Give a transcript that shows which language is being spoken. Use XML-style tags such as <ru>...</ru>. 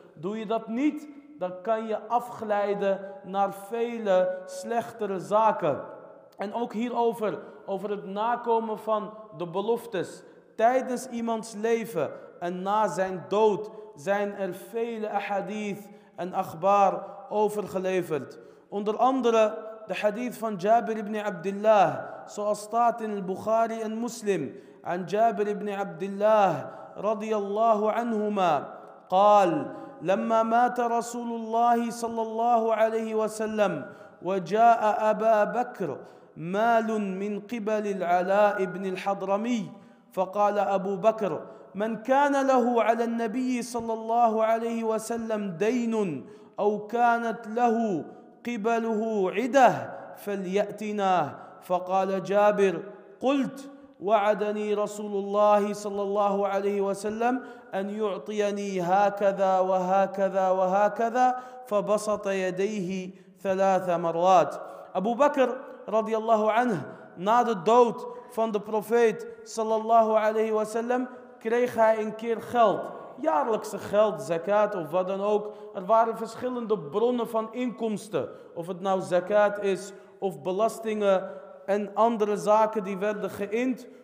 <nl>Doe je dat niet, dan kan je afglijden naar vele slechtere zaken. En ook hierover, over het nakomen van de beloftes tijdens iemands leven en na zijn dood, zijn er vele ahadith en akhbar overgeleverd. Onder andere de hadith van Jabir ibn Abdullah,</nl> <ar>zoals staat in al-Bukhari en Muslim, aan Jabir ibn Abdullah radiyallahu anhuma, qal, lamma mata Rasulullah sallallahu alayhi wa sallam, wajaa Aba Bakr مال من قبل العلاء بن الحضرمي فقال أبو بكر من كان له على النبي صلى الله عليه وسلم دين أو كانت له قبله عده فليأتنا فقال جابر قلت وعدني رسول الله صلى الله عليه وسلم أن يعطيني هكذا وهكذا وهكذا فبسط يديه ثلاث مرات. أبو بكر</ar> <nl>radiyallahu anhu, na de dood van de profeet sallallahu alayhi wa sallam, kreeg hij een keer geld. Jaarlijkse geld, zakat of wat dan ook. Er waren verschillende bronnen van inkomsten. Of het nou zakat is of belastingen en andere zaken die werden geïnd.</nl>